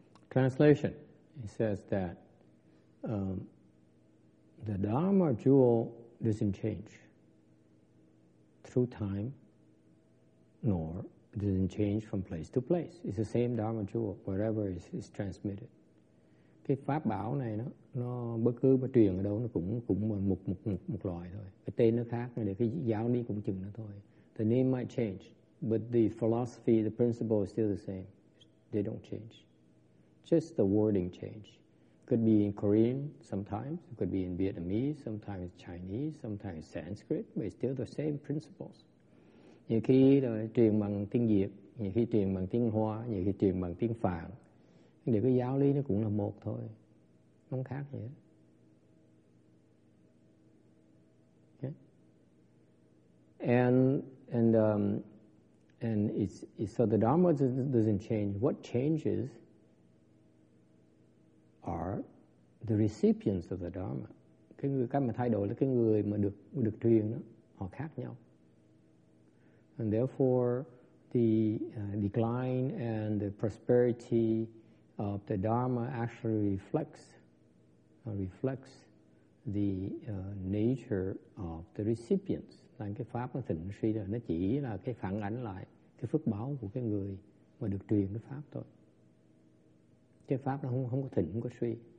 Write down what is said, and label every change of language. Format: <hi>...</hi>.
<en>Translation, it says that the Dharma jewel doesn't change through time, nor doesn't change from place to place. It's the same Dharma jewel, wherever it's transmitted.</en> <vi>Cái pháp bảo này nó bất cứ mà truyền ở đâu nó cũng một loại thôi. Cái tên nó khác, để cái giáo lý cũng chừng nó thôi.</vi> <en>The name might change, but the philosophy, the principle is still the same. They don't change. Just the wording change. Could be in Korean sometimes, could be in Vietnamese, sometimes Chinese, sometimes Sanskrit, but it's still the same principles.</en> <vi>Nhiều khi truyền bằng tiếng Việt, nhiều khi truyền bằng tiếng Hoa, nhiều khi truyền bằng tiếng Phạn. Thì cái giáo lý nó cũng là một thôi. Không khác gì hết.</vi> <en>Okay. And it's so the Dharma doesn't change. What changes are the recipients of the Dharma.</en> <vi>Cái người cách mà thay đổi là cái người mà được truyền đó, họ khác nhau.</vi> <en>And therefore, the decline and the prosperity of the Dharma actually reflects the nature of the recipients.</en> <vi>Là cái pháp nó thịnh suy rồi, nó chỉ là cái phản ánh lại cái phước báo của cái người mà được truyền cái pháp thôi. Cái pháp nó không có thịnh, không có suy.</vi>